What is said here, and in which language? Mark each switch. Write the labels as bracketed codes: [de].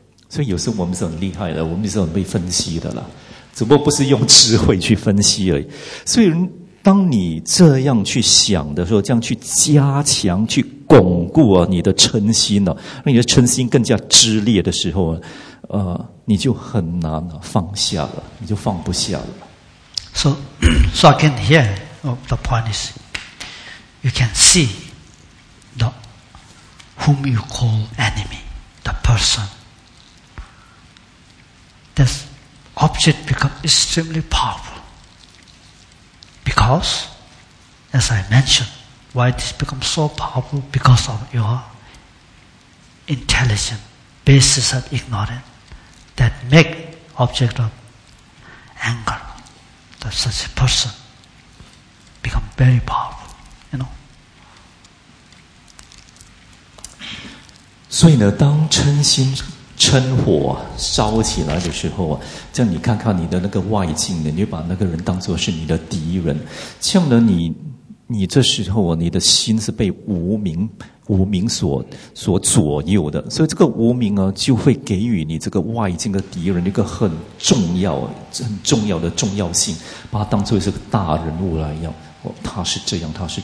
[zh] 所以有时候我们是很厉害的，我们是很被分析的啦，只不过不是用智慧去分析而已。所以当你这样去想的时候，这样去加强去巩固啊你的嗔心呢、啊，让你的嗔心更加炽烈的时候，你就很难放下了，你就放不下了。 [en] So again, here the point is, you can see the whom you call enemy, the person. This object become extremely powerful because, as I mentioned. Why this become so powerful? Because of your intelligence, basis of ignorance, that make object of anger, that such a person become very powerful, you know. [zh] 所以呢，当嗔心嗔火烧起来的时候啊，这样你看看你的那个外境呢，你就把那个人当作是你的敌人，这样呢你这时候啊，你的心是被无明所左右的，所以这个无明啊，就会给予你这个外境的敌人一个很重要的重要性，把它当作是个大人物来要、哦、他是这样的。